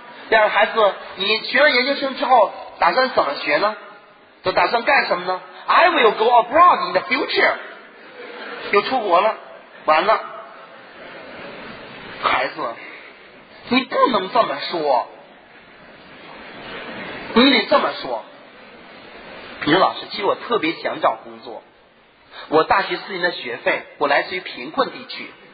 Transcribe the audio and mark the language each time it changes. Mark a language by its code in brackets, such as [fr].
[zh] 但是孩子，你学了研究生之后打算怎么学呢？就打算干什么呢？ [en] I will go abroad in the future. [zh] 又出国了，完了。孩子，你不能这么说，你得这么说，比如老师，其实我特别想找工作，我大学4年的学费，我来自于贫困地区。